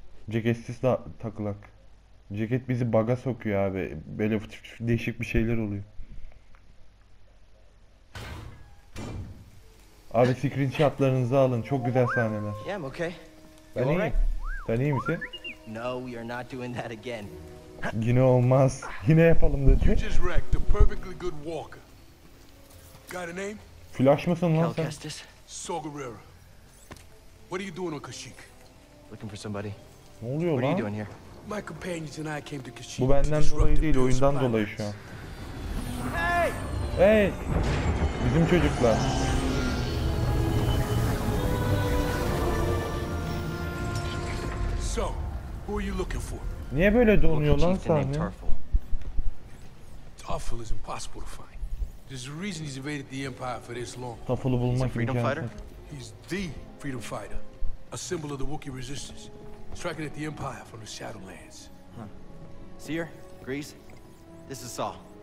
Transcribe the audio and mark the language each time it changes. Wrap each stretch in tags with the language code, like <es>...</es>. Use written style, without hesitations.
<tr>Ceketsiz takılak. Ceket bizi baga sokuyor abi. Böyle değişik bir şeyler oluyor. Abi screenshotlarınızı alın. Çok güzel sahneler.</tr> <en>Yeah, I'm okay.</en> <tr>Ben iyiyim. Sen iyi misin?</tr> <en>No, you're not doing that again.</en> <tr>Yine olmaz. Yine yapalım dedi.</tr> <en>You just wrecked a perfectly good walker. Got a name?</en> <tr>Flash mısın lan sen? Calcastus. Sogarera.</tr> <en>What are you doing on Kashyyyk? Looking for somebody.</en> <tr>Ne oluyor</tr> <en>what</en> <tr>lan?</tr> <en>Are you doing here? My companions and I came to Kashyyyk.</en> <tr>Bu benden dolayı değil, oyundan dolayı şu an. Hey! Hey! Bizim çocuklar.</tr> <en>So, who are you looking for?</en> <tr>Niye böyle donuyor lan sahne?</tr> <en>Tarful is impossible to find. There's a reason he's evaded the Empire for this long.</en> <tr>Tarful'u bulmak için.</tr> <en>Freedom fighter. He's the freedom fighter, a symbol of the Wookiee resistance, striking at the Empire from the Shadowlands. Huh. Seer, Grease, this is Saw.</en>